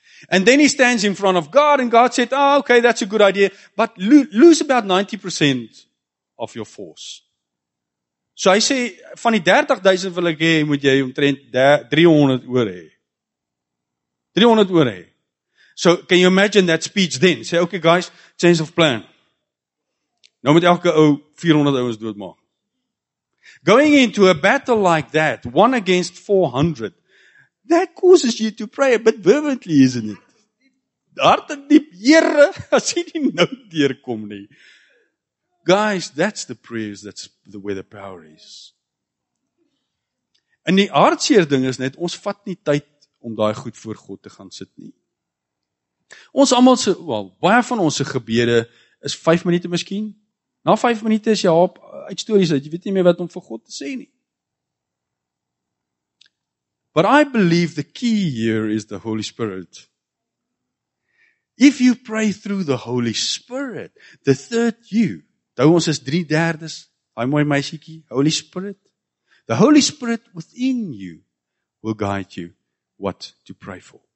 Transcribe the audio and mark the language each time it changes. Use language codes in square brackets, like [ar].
[en] And then he stands in front of God, and God said, oh, okay, that's a good idea, but lose about 90% of your force. [af] So hy sê, van die 30,000 wil ek hê, moet jy omtrent 300 oor hê. 300 oor hê. [en] So, can you imagine that speech then? Say, okay guys, change of plan. [af] Nou moet elke ou 400 ouens doodmaak. [en] Going into a battle like that, one against 400, that causes you to pray a bit fervently, isn't it? [af] Hart en diep, Here, as jy nie nou deurkom nie. [en] Guys, that's the prayers, that's the where the power is. [af] En die hartseer ding is net, ons vat nie tyd om daai goed voor God te gaan sit nie. Ons almal se, wel, baie van ons se gebede is 5 minute miskien. Na 5 minute is jy op uit stories uit, jy weet nie meer wat om vir God te sê nie. [en] But I believe the key here is the Holy Spirit. If you pray through the Holy Spirit, the third you, [af] dou ons is 3/3, hy mooi meisiekie, [en] Holy Spirit. The Holy Spirit within you will guide you what to pray for.